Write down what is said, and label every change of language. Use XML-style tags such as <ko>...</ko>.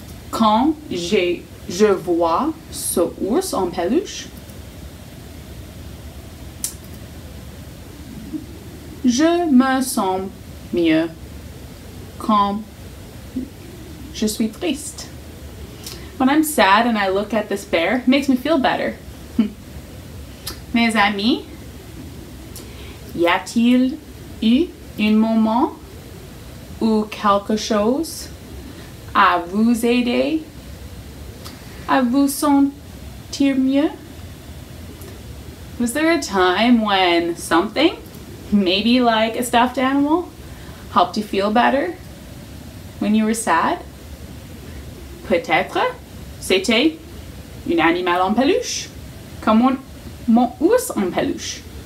<fr>Quand je vois ce ours en peluche, je me sens mieux quand je suis triste.</fr> <en>When I'm sad and I look at this bear, it makes me feel better.</en> <fr>Mes amis, y a-t-il eu un moment où quelque chose a vous aidé à vous sentir mieux?</fr> <en>Was there a time when something, maybe like a stuffed animal, helped you feel better when you were sad?</en> <fr>Peut-être. C'était un animal en peluche, comme mon ours en peluche.</fr>